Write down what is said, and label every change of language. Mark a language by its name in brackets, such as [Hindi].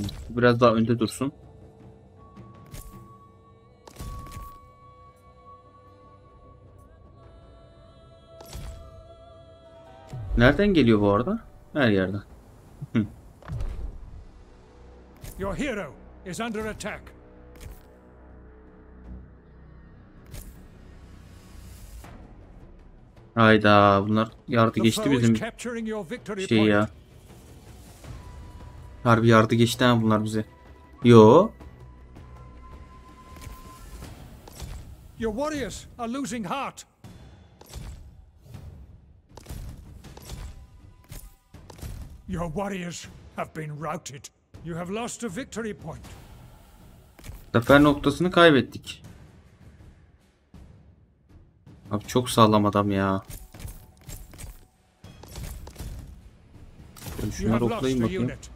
[Turkish] Biraz daha önde dursun. Nereden geliyor bu arada? Her yerden. [English] Your hero is under attack. [Turkish] Hayda, bunlar yardı geçti bizim şey ya. Harbi yardı geçti ha bunlar bize. Yo. [English] Your warriors are losing heart. Your warriors have been routed. You have lost a victory point. [Turkish] Zafer noktasını kaybettik. Abi çok sağlam adam ya. Şunları oklayayım bakayım.